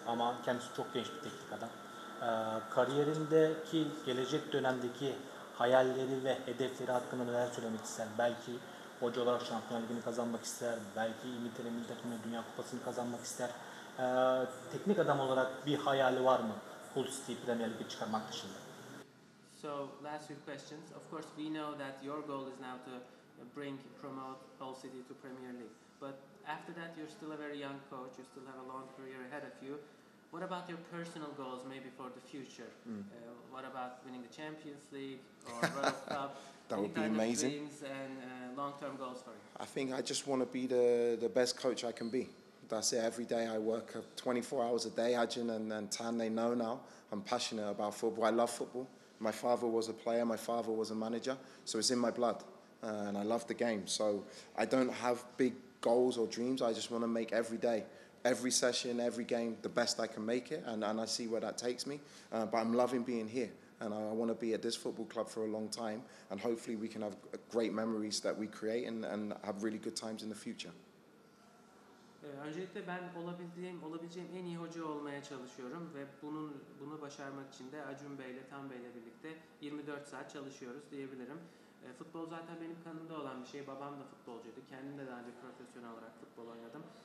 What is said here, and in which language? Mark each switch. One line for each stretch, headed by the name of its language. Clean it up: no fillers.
Turkish: Ama kendisi çok genç bir teknik adam. Kariyerindeki gelecek dönemdeki hayalleri ve hedefleri hakkında neler söylemek ister? Belki hoca olarak Şampiyonlar Ligi'ni kazanmak ister, belki İngiltere Milli Takımı'na Dünya Kupası'nı kazanmak ister. Teknik adam olarak bir hayali var mı Hull City Premier Lig'e çıkarmak dışında?
English: So, last few questions. Of course, we know that your goal is now to promote Hull City to Premier League. But after that, you're still a very young coach. You still have a long career ahead of you. What about your personal goals, maybe for the future? Mm. What about winning the Champions League or World Cup? That would be amazing. Dreams and long-term goals for you? I think I just want to be the best coach I can be. That's it. Every day I work 24 hours a day. Hajun and Tan, they know now. I'm passionate about football. I love football. My father was a player. My father was a manager. So it's in my blood. And I love the game. So I don't have big goals or dreams. I just want to make every day, every session, every game, the best I can make it, and I see where that takes me. But I'm loving being here, and I want to be at this football club for a long time, and hopefully we can have great memories that we create and have really good times in the future.
Turkish: Öncelikle ben olabileceğim en iyi hoca olmaya çalışıyorum ve bunu başarmak için de Acun Bey'le, Tan Bey'le birlikte 24 saat çalışıyoruz diyebilirim. Futbol zaten benim kanımda olan bir şey. Babam da futbolcuydu. Kendim de daha önce profesyonel olarak futbol oynadım.